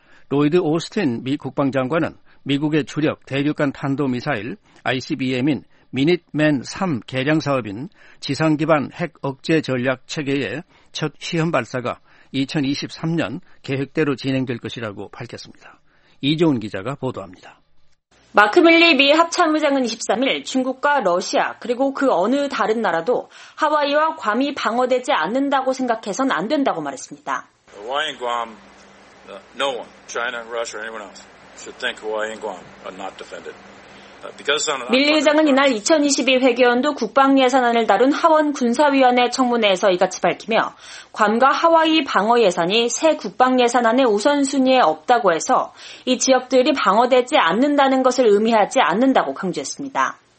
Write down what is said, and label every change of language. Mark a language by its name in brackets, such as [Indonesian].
[Korean] 로이드 오스틴 미 국방장관은 미국의 주력 대륙간 탄도미사일 ICBM인 미닛맨 3 개량 사업인 지상기반 핵 억제 전략 체계의 첫 시험 발사가 2023년 계획대로 진행될 것이라고 밝혔습니다. 이종훈 기자가 보도합니다. 마크 밀리 미 합참의장은 23일 중국과 러시아 그리고 그 어느 다른 나라도 하와이와 괌이 방어되지 않는다고 생각해선 안 된다고 말했습니다. [English] Hawaii and Guam, no one, China, Russia, anyone else should think Hawaii and Guam are not defended. [Korean] 밀리 의장은 이날 2022 회계연도 국방예산안을 다룬 하원군사위원회 청문회에서 이같이 밝히며 괌과 하와이 방어예산이 새 국방예산안의 우선순위에 없다고 해서 이 지역들이 방어되지 않는다는 것을 의미하지 않는다고 강조했습니다.